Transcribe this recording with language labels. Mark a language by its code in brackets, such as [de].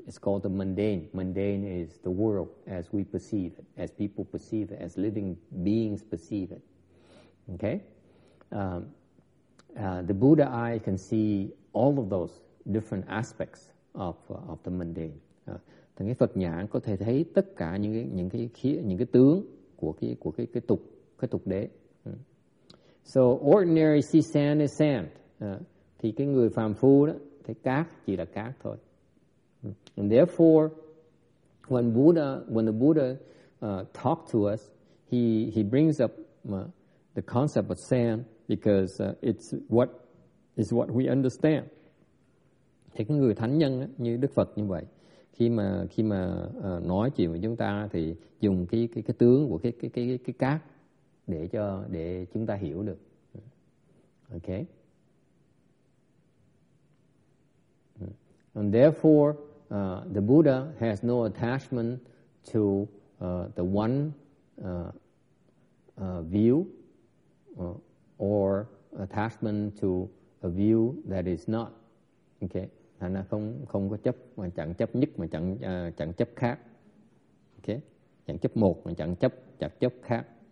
[en] It's called the mundane. Mundane is the world as we perceive it, as people perceive it, as living beings perceive it. Okay? The Buddha eye can see all of those different aspects of the mundane. [vi] Thì cái Phật nhãn có thể thấy tất cả những cái tướng của cái tục đế. [en] So ordinary see sand is sand. [vi] Thì cái người phàm phu đó thấy cát chỉ là cát thôi. [en] And therefore, when the Buddha talk to us, he brings up the concept of sand because it's what we understand. [vi] Thì cái người thánh nhân như Đức Phật như vậy, khi mà nói chuyện với chúng ta thì dùng cái tướng của cái cát để chúng ta hiểu được. [en] Okay. And therefore, the Buddha has no attachment to the one view or attachment to a view that is not. [vi] Okay, thành ra không có chấp mà chẳng chấp nhất mà chẳng chẳng chấp khác. Okay, chẳng chấp một mà chẳng chấp khác.